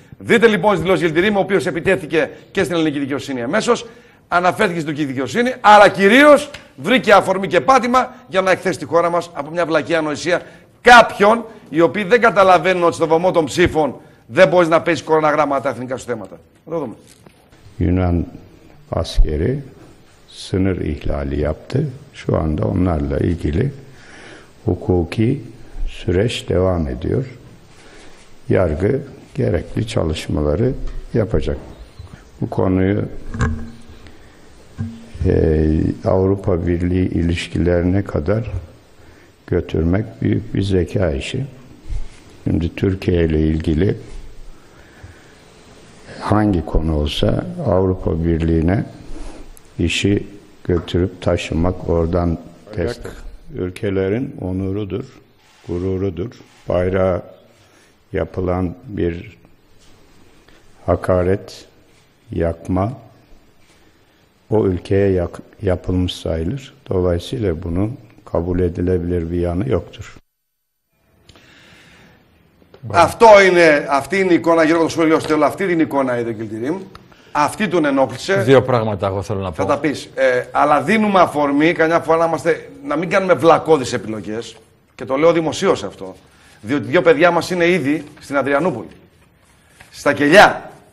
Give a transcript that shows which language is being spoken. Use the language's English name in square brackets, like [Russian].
[Greek] Δείτε λοιπόν τις δηλώσεις Γιλντιρίμ, ο οποίος επιτέθηκε και στην ελληνική δικαιοσύνη αμέσως. Αναφέρθηκε στην τουρκική δικαιοσύνη, αλλά κυρίως βρήκε αφορμή και πάτημα για να εκθέσει τη χώρα μας από μια βλακή ανοησία κάποιων οι οποίοι δεν καταλαβαίνουν ότι στο βωμό των ψήφων δεν μπορείς να παίζεις κοροναγράμματα εθνικά σου θέματα. Να το δούμε. [Turkish] Yunan askeri sınır ihlali yaptı. Şu anda onlarla ilgili hukuki süreç devam ediyor. Yargı gerekli çalışmaları yapacak. Bu konuyu Avrupa Birliği ilişkilerine kadar götürmek büyük bir zeka işi. Şimdi Türkiye ile ilgili hangi konu olsa Avrupa Birliği'ne işi götürüp taşımak oradan test. Ülkelerin onurudur, gururudur. Bayrağa yapılan bir hakaret, yakma o ülkeye yapılmış sayılır. Dolayısıyla bunun kabul edilebilir bir yanı yoktur. [Greek] Αυτό είναι, αυτή είναι η εικόνα, Γιώργο, το σχολείο στέλνω. Αυτή την εικόνα είδε ο Γιλντιρίμ. Αυτή τον ενόχλησε. Δύο πράγματα εγώ θέλω να πω. Θα τα πεις. Αλλά δίνουμε αφορμή, καμιά φορά να μην κάνουμε βλακώδεις επιλογές. Και το λέω δημοσίως αυτό. Διότι δύο παιδιά μας είναι ήδη στην Αδριανούπολη. Στα κελιά.